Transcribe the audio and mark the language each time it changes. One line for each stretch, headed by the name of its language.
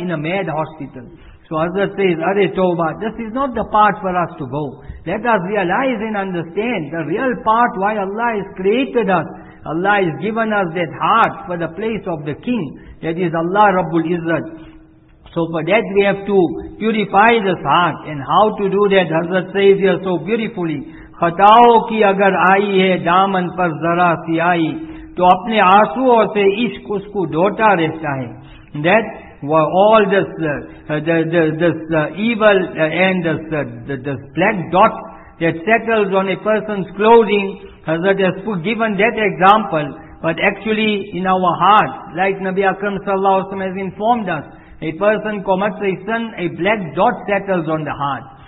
English: In a mad hospital. So Hazrat says, Are Toba, this is not the path for us to go. Let us realize and understand the real part why Allah has created us. Allah has given us that heart for the place of the king. That is Allah Rabbul Izzat. So for that we have to purify this heart. And how to do that? Hazrat says here so beautifully,
Urdu: خطاؤں کی اگر آئی ہے دامن پر ذرا سی آئی تو اپنے آنسوؤں سے عشق اس کو ڈوٹا رہتا ہے.
English: That all this evil and this black dot that settles on a person's clothing, Hazrat has given that example. But actually in our heart, like Nabi Akram sallallahu alaihi wasallam has informed us, a person commits a sin, a black dot settles on the heart.